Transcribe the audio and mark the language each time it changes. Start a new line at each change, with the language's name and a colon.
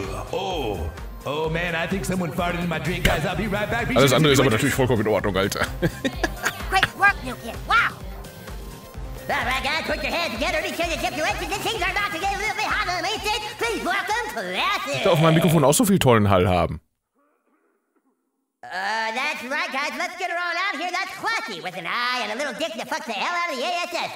English: Oh man, I think someone farted in my drink, guys. I'll be right back.
German: Alles andere ist aber natürlich vollkommen in Ordnung, Alter.
English: Great work, new kid. Wow. All right, guys, put your hands together. Be sure to tip your wedges. The things are about to get a little bit hotter than they did. Please welcome Classy.
German: Ich darf auf meinem Mikrofon auch so viel tollen Hall haben.
English: That right, guys. Let's get her on out here. That's Classy with an I and a little dick to fuck the hell out of the ASS.